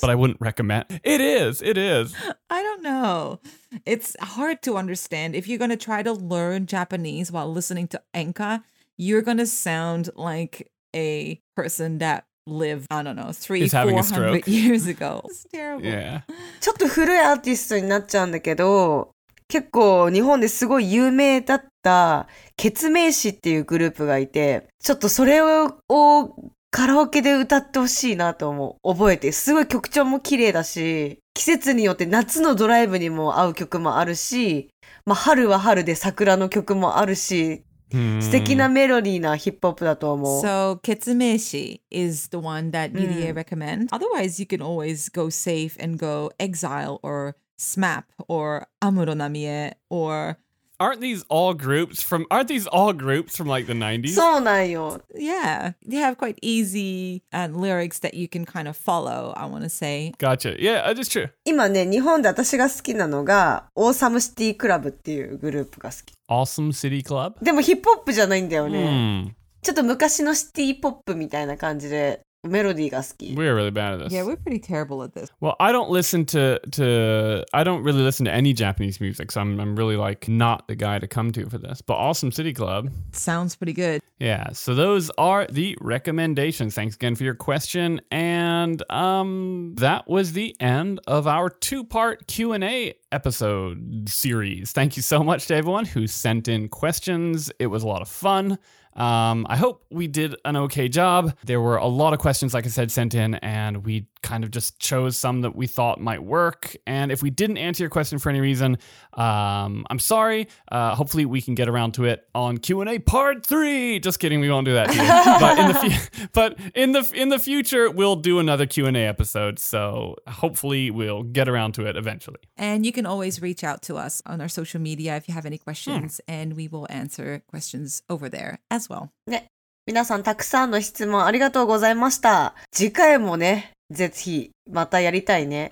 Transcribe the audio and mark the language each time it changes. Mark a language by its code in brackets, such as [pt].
[en] But I wouldn't recommend. It is. I don't know. It's hard to understand. If you're going to try to learn Japanese while listening to Enka, you're going to sound like a person that lived, I don't know, 300-400 years ago. It's terrible. Yeah. [ja] ちょっと古いアーティストになっちゃうんだけど、結構日本ですごい有名だったケツメイシっていうグループがいて、ちょっとそれをカラオケで歌ってほしいなと思う。覚えて。すごい曲調も綺麗だし、季節によって夏のドライブにも合う曲もあるし、まあ春は春で桜の曲もあるし、素敵なメロディーなヒップホップだと思う。 [en] So, ケツメイシ is the one that EDA recommend. Otherwise, you can always go safe and go Exile or SMAP or Amuro Namie or... Aren't these all groups from like the 90s? [ja] そうなんよ。 [en] Yeah, they have quite easy lyrics that you can kind of follow, I want to say. Gotcha. Yeah, that is true. [ja] 今ね、日本で私が好きなのが、オーサムシティクラブっていうグループが好き。 [en] Awesome City Club? [ja] でもヒップホップじゃないんだよね。ちょっと昔のシティポップみたいな感じで。 Melody が好き。 [en] We're really bad at this. Yeah, we're pretty terrible at this. Well, I don't listen I don't really listen to any Japanese music, so I'm really like not the guy to come to for this. But Awesome City Club. Sounds pretty good. Yeah, so those are the recommendations. Thanks again for your question. And that was the end of our two-part Q&A episode series. Thank you so much to everyone who sent in questions. It was a lot of fun. I hope we did an okay job. There were a lot of questions, like I said, sent in, and we kind of just chose some that we thought might work. And if we didn't answer your question for any reason, I'm sorry. Hopefully we can get around to it on Q&A part 3. Just kidding, we won't do that. But in the future, we'll do another Q&A episode. So hopefully we'll get around to it eventually. And you can always reach out to us on our social media if you have any questions, and we will answer questions over there. As well. [ja] ね、皆さんたくさんの質問ありがとうございました。次回もね、ぜひまたやりたいね。